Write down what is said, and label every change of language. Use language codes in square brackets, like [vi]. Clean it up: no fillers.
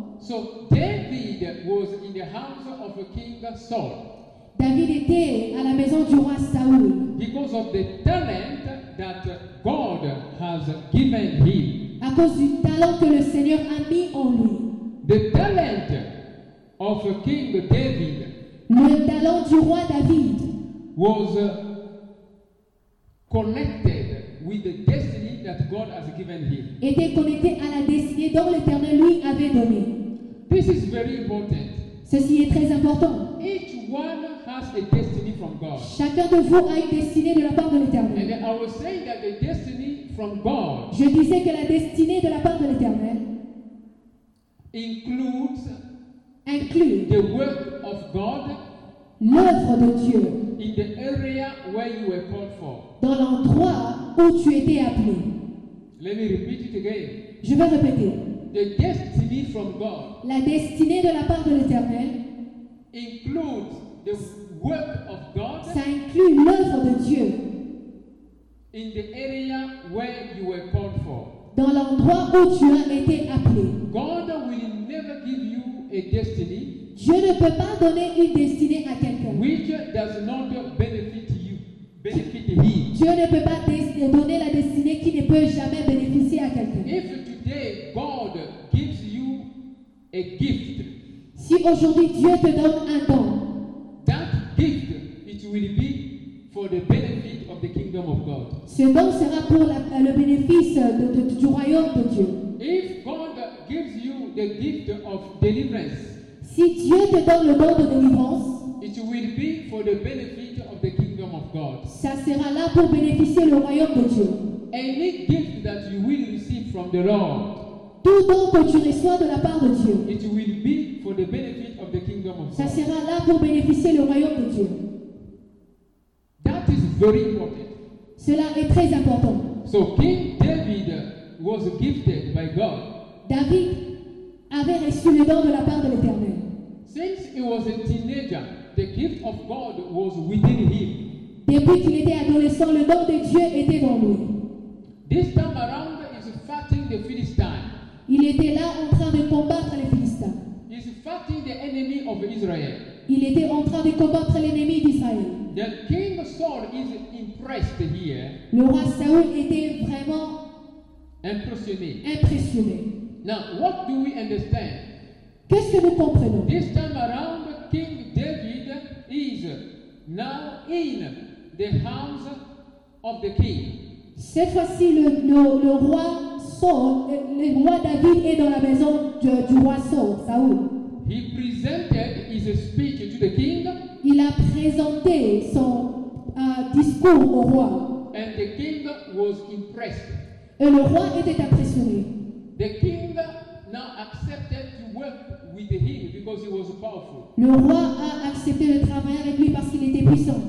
[en] So David was in the house of King Saul. [fr] David était à la maison du roi Saul. [en] Because of the talent that God has given him. [fr] À cause du talent que le Seigneur a mis en lui. [en] The talent of King David. [fr] Le talent du roi David [en] was connected with the destiny that God has given him. [fr] Était connecté à la destinée dont l'Éternel lui avait donné. [en] This is very important. [fr] Ceci est très important. [en] Each one has a destiny from God. [fr] Chacun de vous a une destinée de la part de l'Éternel. [en] And I was saying that the destiny from God. [fr] Je disais que la destinée de la part de l'Éternel [en] includes include the work of God, [fr] l'œuvre de Dieu. [en] In the area where you were called for. [fr] Dans l'endroit où tu étais appelé. [en] Let me repeat it again. [fr] Je vais répéter. [en] The destiny from God. [fr] La destinée de la part de l'Éternel. [en] Includes the work of God. [fr] Ça inclut l'œuvre de Dieu. [en] In the area where you were called for. [fr] Dans l'endroit où tu as été appelé. [en] God will never give you a destiny. [fr] Dieu ne peut pas donner une destinée à quelqu'un. [en] Which does not benefit you, benefit him. [fr] Dieu ne peut pas donner la destinée qui ne peut jamais bénéficier à quelqu'un. [en] If today God gives you a gift, [fr] si aujourd'hui Dieu te donne un don, [en] that gift it will be for the benefit of the kingdom of God. [fr] Ce don sera pour le bénéfice du royaume de Dieu. [en] If God gives you the gift of deliverance, [fr] si Dieu te donne le don de délivrance, [en] it will be for the benefit of the kingdom of God. [fr] Ça sera là pour bénéficier le royaume de Dieu. [en] Any gift that you will receive from the Lord, [fr] tout don que tu reçois de la part de Dieu, [en] it will be for the benefit of the kingdom of God. [fr] Ça sera là pour bénéficier le royaume de Dieu. [en] That is very important. [fr] Cela est très important. [en] So King David was gifted by God. [fr] David avait reçu le don de la part de l'Éternel. [en] Since he was a teenager, the gift of God was within him. [fr] Depuis qu'il était adolescent, le don de Dieu était dans lui. [en] This time around, he's fighting the Philistines. [fr] Il était là en train de combattre les Philistins. [en] He's fighting the enemy of Israel. [fr] Il était en train de combattre l'ennemi d'Israël. [en] The king Saul is impressed here. [fr] Le roi Saul était vraiment impressionné. Impressionné. [en] Now, what do we understand? [fr] Qu'est-ce que nous comprenons? [en] This time around, King David is now in the house of the king. [fr] Cette fois-ci, le roi Saul, le roi David est dans la maison du roi Saul. [en] He presented his speech to the king. [fr] Il a présenté son discours au roi. [en] And the king was impressed. [fr] Et le roi était impressionné. [en] The king now accepted to work with him because he was powerful. [fr] Le roi a accepté de travailler avec lui parce qu'il était puissant.